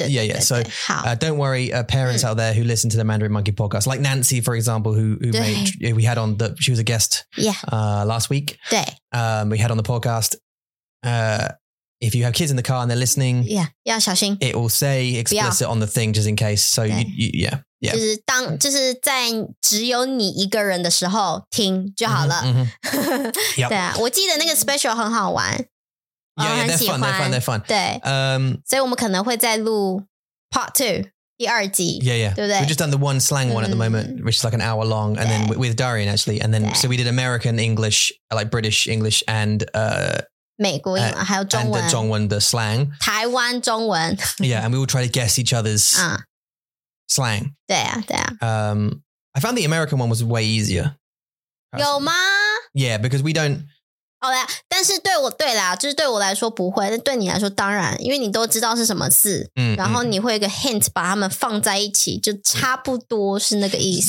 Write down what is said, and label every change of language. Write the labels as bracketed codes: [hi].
[en] yeah, yeah. So don't worry, parents out there who listen to the Mandarin Monkey podcast, like Nancy, for example, who made, we had on, the, she was a guest last week. We had on the podcast. If you have kids in the car and they're listening, [zh] yeah, 要小心 [en] It will say explicit on the thing just in case. So, you, [zh] 就是当就是在只有你一个人的时候听就好了。 [en] Yep. [zh] 对啊，我记得那个 special 很好玩。 [en] Yeah, yeah, they're fun. They're fun. They're fun. [zh] 对，所以我们可能会再录 [en] part two [zh] 第二集。 [en] Yeah, yeah. [zh] 对不对 [en] We've just done the one slang one at the moment, which is like an hour long, and then with Darian actually, and then so we did American English, like British English, and [zh] 美国英文还有中文 [en] and the [zh] 中文的 [en] slang [zh] 台湾中文 [en] Yeah, and we will try to guess each other's slang [zh] 对啊对啊 [en] I found the American one was way easier [zh] 有吗 [en] Yeah, because we don't [zh] 好啦但是对我对啦就是对我来说不会但对你来说当然因为你都知道是什么字然后你会有个 hint 把它们放在一起就差不多是那个意思